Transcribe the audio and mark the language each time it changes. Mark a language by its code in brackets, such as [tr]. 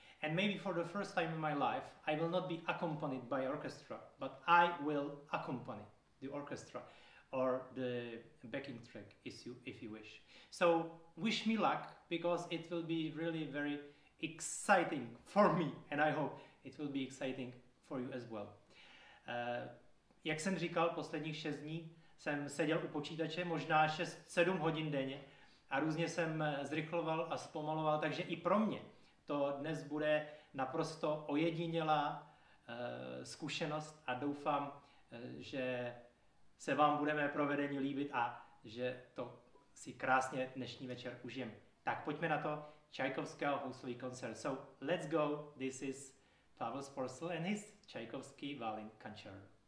[en] And maybe for the first time in my life, I will not be accompanied by orchestra, but I will accompany the orchestra or the backing track, if you wish. So wish me luck, because it will be really very exciting for me, and I hope it will be exciting for you as well. [cs] Jak jsem říkal, posledních 6 dní jsem seděl u počítače možná 6-7 hodin denně a různě jsem zrychloval a zpomaloval, takže i pro mě to dnes bude naprosto ojedinělá zkušenost a doufám, že se vám bude mé provedení líbit a že to si krásně dnešní večer užijem. Tak pojďme na to, Čajkovského houslový koncert. [en] So let's go, this is Pavel Šporcl and his Tchaikovsky Violin Concerto.